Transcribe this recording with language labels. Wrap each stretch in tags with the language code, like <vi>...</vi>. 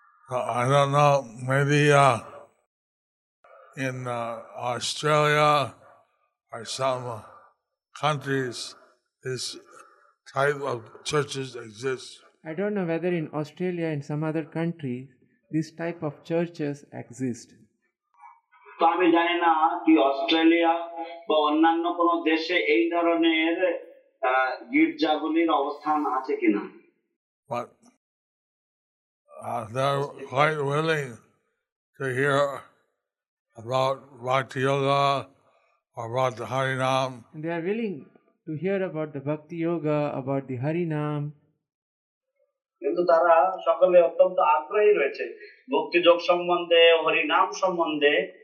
<en>I don't know, maybe in Australia or some countries, this type of churches exist. I don't know whether in Australia or in some other countries, this type of churches exist.</en> <bn>তো আমি জানি না কি Australia বা অন্যান্য কোন দেশে এই ধরনের গির্জাগুলির অবস্থান আছে কিনা.</bn> <en>But they're quite willing to hear about Bhakti Yoga or about the Harinam. They are willing to hear about the Bhakti Yoga, about the Harinam.</en> <bn>কিন্তু তারা সকলে অত্যন্ত আগ্রহী রয়েছে ভক্তি যোগ সম্বন্ধে হরিনাম সম্বন্ধে.</bn>